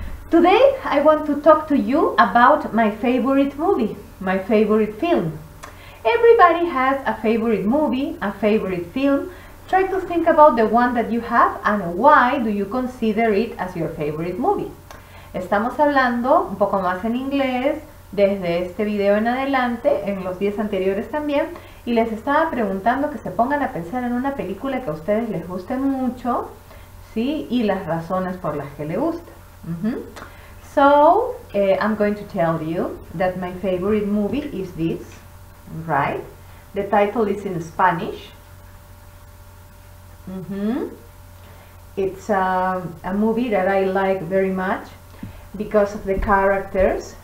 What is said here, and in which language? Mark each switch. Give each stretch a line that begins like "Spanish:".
English: Today I want to talk to you about my favorite movie, my favorite film. Everybody has a favorite movie, a favorite film. Try to think about the one that you have and why do you consider it as your favorite movie.
Spanish: Estamos hablando un poco más en inglés desde este video en adelante, en los días anteriores también. Y les estaba preguntando que se pongan a pensar en una película que a ustedes les guste mucho, ¿sí? Y las razones por las que le gusta.
English: I'm going to tell you that my favorite movie is this, right? The title is in Spanish. It's a movie that I like very much because of the characters.